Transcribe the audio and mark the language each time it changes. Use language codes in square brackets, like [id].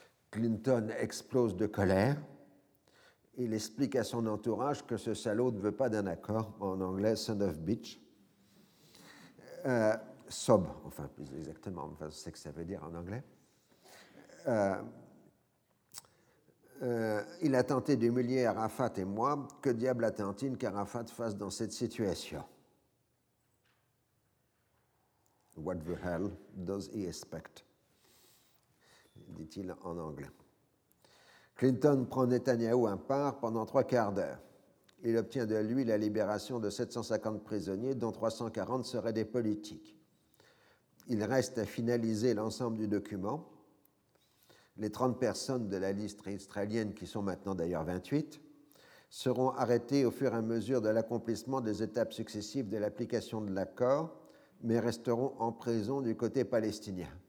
[fr] Clinton explose de colère. Il explique à son entourage que ce salaud ne veut pas d'un accord, en anglais « [en] son of bitch [fr] », sob, enfin plus exactement, enfin, c'est ce que ça veut dire en anglais. Il a tenté d'humilier Arafat et moi, que diable attend-il qu'Arafat fasse dans cette situation ? [en] What the hell does he expect ? [fr] Dit-il en anglais. Clinton prend Netanyahou à part pendant trois quarts d'heure. Il obtient de lui la libération de 750 prisonniers, dont 340 seraient des politiques. Il reste à finaliser l'ensemble du document. Les 30 personnes de la liste israélienne, qui sont maintenant d'ailleurs 28, seront arrêtées au fur et à mesure de l'accomplissement des étapes successives de l'application de l'accord, mais resteront en prison du côté palestinien.